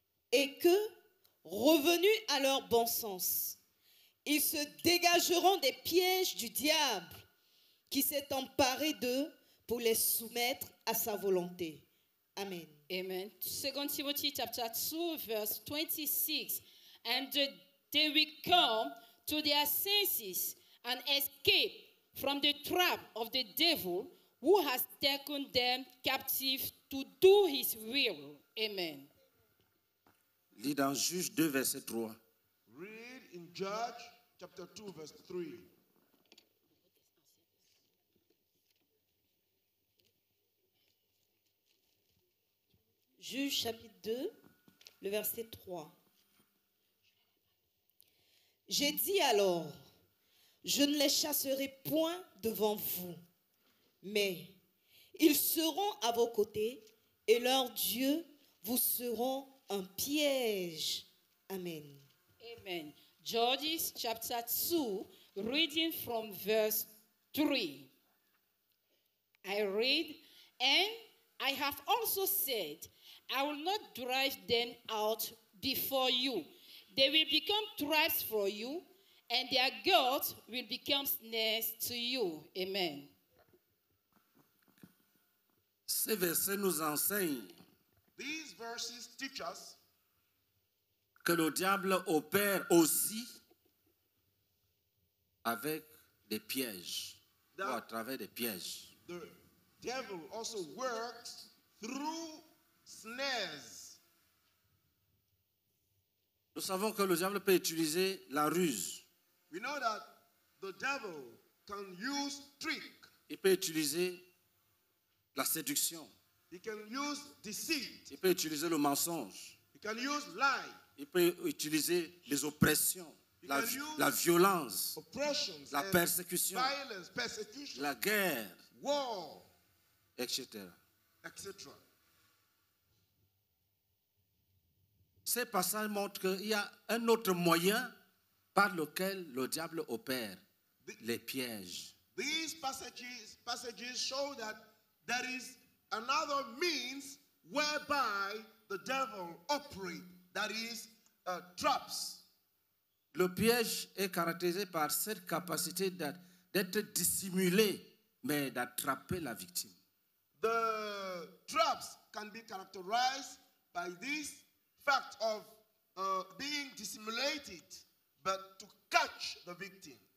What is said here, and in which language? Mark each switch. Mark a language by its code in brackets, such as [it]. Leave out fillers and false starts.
[fr] et que, revenus à leur bon sens, ils se dégageront des pièges du diable qui s'est emparé d'eux pour les soumettre à sa volonté. Amen. [en] Amen. 2 Timothy chapter 2, verse 26. And they will come to their senses and escape from the trap of the devil who has taken them captive to do his will. Amen. [fr] Lis dans Juges 2, verset 3. [en] Read in Judges chapter 2, verse 3. [fr] Juges chapitre 2, le verset 3. J'ai dit alors, je ne les chasserai point devant vous, mais ils seront à vos côtés et leurs dieux vous seront un piège. Amen. Amen. [en] Judges chapitre 2, reading from verse 3. I read, and I have also said, I will not drive them out before you. They will become traps for you, and their gods will become snares to you. Amen. [fr] Ces versets nous enseignent. [en] These verses teach us [fr] que le diable opère aussi avec des pièges, ou à travers des pièges. [en] The devil also works through snares. [fr] Nous savons que le diable peut utiliser la ruse. [en] We know that the devil can use trick. [fr] Il peut utiliser la séduction. [en] He can use deceit. [fr] Il peut utiliser le mensonge. [en] He can use lie. [fr] Il peut utiliser les oppressions, la violence, [en] oppressions, [fr] la persécution, [en] violence, persecution, [fr] la guerre, [en] war, [fr] etc. [en] etc. [fr] Ces passages montrent qu'il y a un autre moyen par lequel le diable opère les pièges. [en] These passages show that there is another means whereby the devil operates, that is, traps. [fr] Le piège est caractérisé par cette capacité d'être dissimulé, mais d'attraper la victime. [en] The traps can be characterized by this fact of being dissimulated, but to catch the victim.